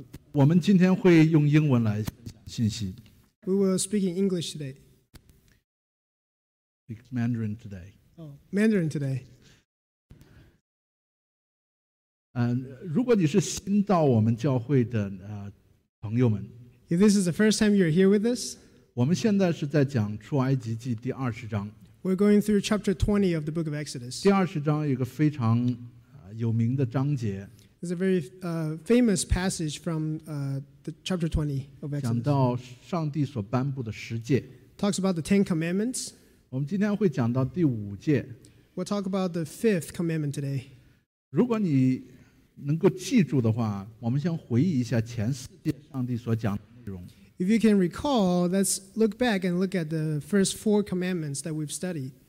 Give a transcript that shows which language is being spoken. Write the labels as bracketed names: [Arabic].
[Chinese] 我们今天会用英文来分享信息。 [English] We will speak in English today. Speak Mandarin today. Oh, Mandarin today. [Chinese] 如果你是新到我们教会的朋友们 [English] ，If this is the first time you're here with us， [Chinese] 我们现在是在讲出埃及记第二十章。 [English] We're going through chapter 20 of the book of Exodus. [Chinese] 第二十章有一个非常有名的章节。 [English] It's a very famous passage from the chapter 20 of Exodus. [Chinese] 讲到上帝所颁布的十诫。 [English] Talks about the Ten Commandments. [Chinese] 我们今天会讲到第五诫。 [English] We'll talk about the fifth commandment today. [Chinese] 如果你能够记住的话，我们先回忆一下前四诫上帝所讲的内容。 [English] If you can recall, let's look back and look at the first four commandments that we've studied.